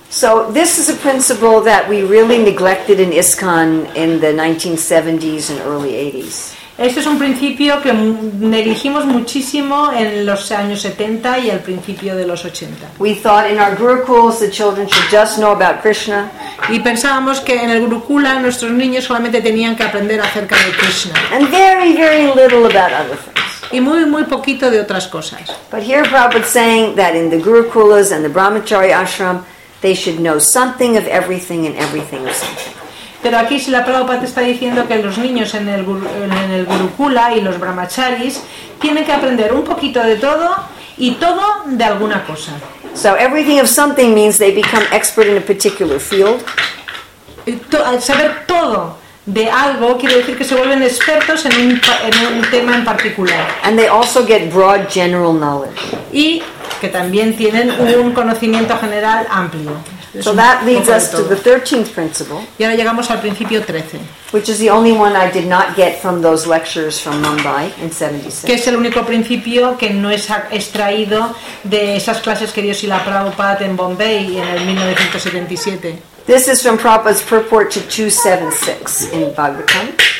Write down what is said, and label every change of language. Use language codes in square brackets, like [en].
[en] So this is a principle that we really neglected in ISKCON in the 1970s and early 80s. [es] Este es un principio que negligimos muchísimo en los años 70 y al principio de los 80. [en] We thought in our gurukuls the children should just know about Krishna. [es] Y pensábamos que en el gurukula nuestros niños solamente tenían que aprender acerca de Krishna. [en] And very, very little about other things. [es] Y muy, muy poquito de otras cosas. [en] But here Prabhupada saying that in the gurukulas and the brahmachari ashram they should know something of everything and everything of something. [es] Pero aquí si la Prabhupada está diciendo que los niños en el Gurukula y los brahmacharis tienen que aprender un poquito de todo y todo de alguna cosa. [en] So everything of something means they become expert in a particular field. [es] Saber todo de algo quiere decir que se vuelven expertos en un tema en particular. [en] And they also get broad general knowledge. [es] Y que también tienen un conocimiento general amplio. [en] So that leads us to the 13th principle. [es] Y ahora llegamos al principio 13. [en] Which is the only one I did not get from those lectures from Mumbai in 76. [es] Que es el único principio que no es extraído de esas clases que dio Srila Prabhupada en Bombay en el 1977. [en] This is from Prabhupada's purport to 276 in Bhagavatam.